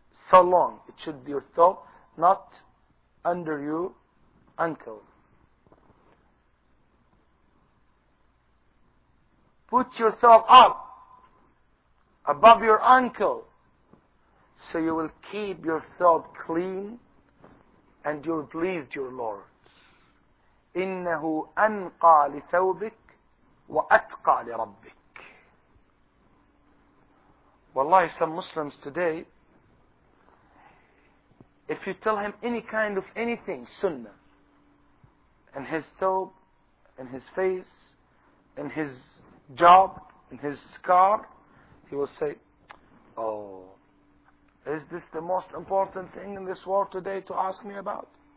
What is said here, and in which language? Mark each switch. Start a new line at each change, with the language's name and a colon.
English: So long, it should be your thawb, not under your ankle. Put your thawb up, above your ankle, so you will keep your thawb clean and you will please your Lord.
Arabic: إنه أنقى لثوبك وأتقى لربك.
English: والله some Muslims today, if you tell him any kind of anything, sunnah, in his thobe, in his face, in his job, in his scar, he will say, oh, is this the most important thing in this world today to ask me about?